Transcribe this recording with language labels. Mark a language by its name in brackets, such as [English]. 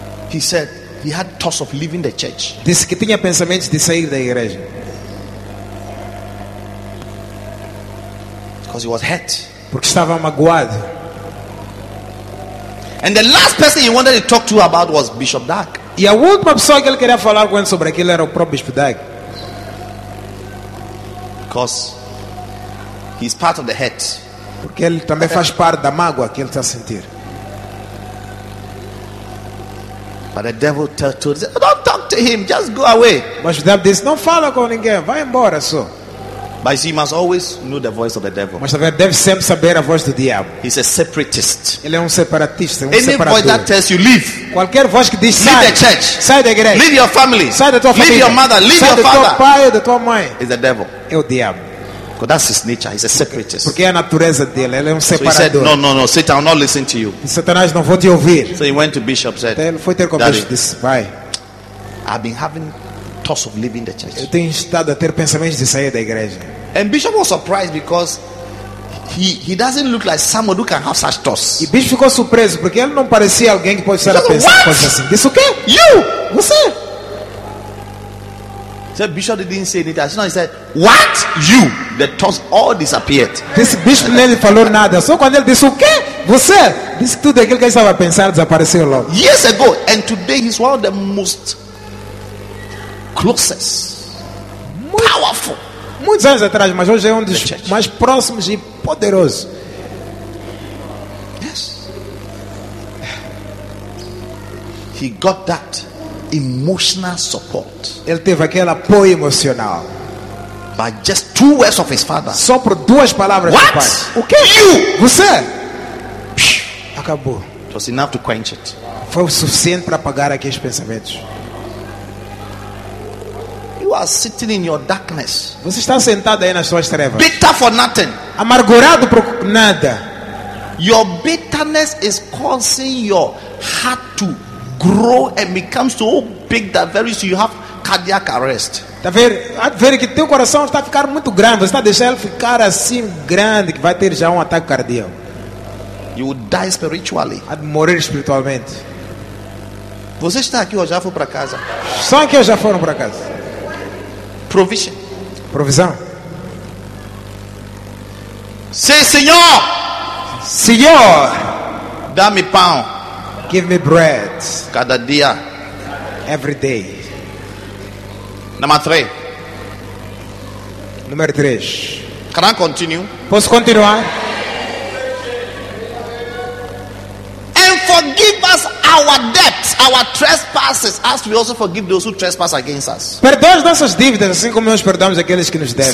[English] He said he had thoughts of leaving the church. [Portuguese] Disse que tinha pensamentos de sair da igreja. [English] Because he was hurt. [Portuguese] Porque estava magoado. [English] And the last person he wanted to talk to about was Bishop Dark. [Portuguese] E a última pessoa que ele queria falar com ele sobre aquilo era o próprio Bishop Dark. [English] Because he's part of the hurt. [Portuguese] Porque ele também faz parte da mágoa que ele está a sentir. [English] But the devil told him, don't talk to him, just go away. [Portuguese] Mas o diabo disse, não fala com ninguém, vai embora só. [English] But he must always know the voice of the devil. [Portuguese] Mas ele deve sempre saber a voz do diabo. [English] He's a separatist. [Portuguese] Ele é separatista, [English] any [Portuguese] separador. [English] Voice that tells you leave. [Portuguese] Qualquer voz que diz [English] leave the church. [Portuguese] Sai da igreja. [English] Leave your family. [Portuguese] Sai da tua [English] leave [Portuguese] família. [English] Your mother. Leave [Portuguese] sai [English] your father. [Portuguese] Sai da tua pai, da tua mãe. [English] Is the devil. [Portuguese] É o diabo. [English] Because that's his nature. He's a separatist. [Portuguese] Porque é a natureza dele. Ele é separador. [English] So he said, no, Satan, I'll not listen to you. [Portuguese] Satanás, não vou te ouvir. [English] So he went to bishop said. [Portuguese] Ele foi ter com o bispo disse, vai. [English] I've been having thoughts of leaving the church. [Portuguese] Eu tenho estado a ter pensamentos de sair da igreja. [English] And bishop was surprised because he doesn't look like someone who can have such thoughts. [Portuguese] E bishop ficou surpreso porque ele não parecia alguém que pode estar a pensar coisas assim. Disse o quê? [English] You, [Portuguese] você. [English] So bishop didn't say anything. So he said, what? You? The thoughts all disappeared. [Portuguese] This bishop nem falou nada. Só quando ele disse o quê? Você. Disse tudo aquilo que ele estava a pensar desapareceu logo. [English] Years ago, and today he's one of the most closest, [Portuguese] muito, [English] powerful. [Portuguese] Muitos anos atrás, mas hoje é dos mais próximos e poderosos. [English] Yes. He got that emotional support. [Portuguese] Ele teve aquele apoio emocional. [English] By just two words of his father. [Portuguese] Só por duas palavras [English] what? [Portuguese] Do pai. O quê? [English] You. [Portuguese] Você. Acabou. [English] It was enough to quench it. [Portuguese] Foi o suficiente para apagar aqueles pensamentos. [English] Are sitting in your darkness. [Portuguese] Você está sentado aí nas suas trevas. [English] Bitter for nothing. [Portuguese] Amargurado por nada. [English] Your bit bitterness is causing your heart to grow and become so big that very soon you have cardiac arrest. [Portuguese] Está a ver? Há de ver que teu coração está a ficar muito grande. Você está a deixar ele ficar assim grande que vai ter já ataque cardíaco. [English] You will die spiritually. [Portuguese] Há de morrer espiritualmente. Você está aqui ou já foi para casa? Só aqui ou já foram para casa? [English] Provision. [Portuguese] Provisão. Sim, senhor. Senhor. Dá-me pão. [English] Give me bread. [Portuguese] Cada dia. [English] Every day. [Portuguese] Número 3. [English] Can I continue? [Portuguese] Posso continuar? [English] And forgive us our debts, our trespasses, as we also forgive those who trespass against us. [Portuguese] Perdoa as nossas dívidas, assim como nós perdoamos aqueles que nos devem.